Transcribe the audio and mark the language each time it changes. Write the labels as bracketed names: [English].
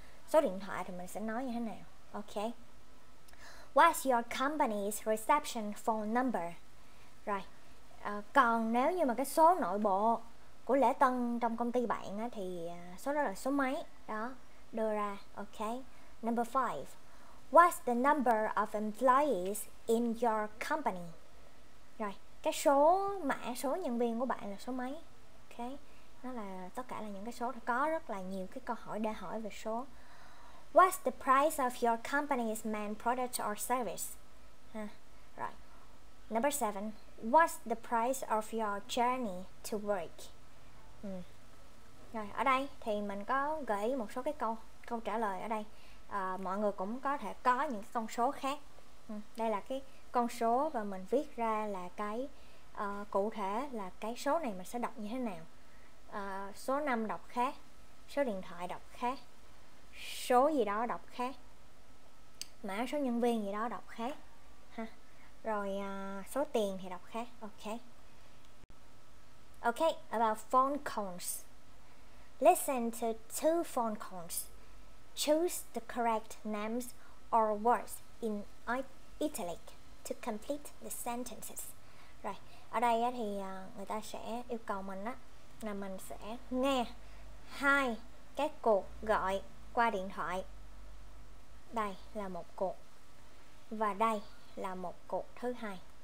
[Vietnamese] Số điện thoại thì mình sẽ nói như thế nào. Okay. [English] What's your company's reception phone number? [Vietnamese] Rồi. Còn nếu như mà cái số nội bộ của lễ tân trong công ty bạn á, thì số đó là số mấy? Đó. Đưa ra. Okay. [English] Number 5. What's the number of employees in your company? [Vietnamese] Rồi. Cái số mã số nhân viên của bạn là số mấy? Okay. Nó là tất cả là những cái số. Có rất là nhiều cái câu hỏi để hỏi về số. [English] What's the price of your company's main product or service? Right. Number 7. What's the price of your journey to work? [Vietnamese] Rồi, ở đây thì mình có gợi ý một số cái câu trả lời ở đây. Mọi người cũng có thể có những con số khác. Đây là cái con số và mình viết ra là cái cụ thể là cái số này mình sẽ đọc như thế nào. Số 5 đọc khác, số điện thoại đọc khác, số gì đó đọc khác, mã số nhân viên gì đó đọc khác ha. Rồi số tiền thì đọc khác. [English] Okay, about phone calls. Listen to 2 phone calls. Choose the correct names or words in italic to complete the sentences. [Vietnamese] Rồi, ở đây thì người ta sẽ yêu cầu mình á là mình sẽ nghe 2 cái cuộc gọi qua điện thoại. Đây là một cuộc và đây là một cuộc thứ hai.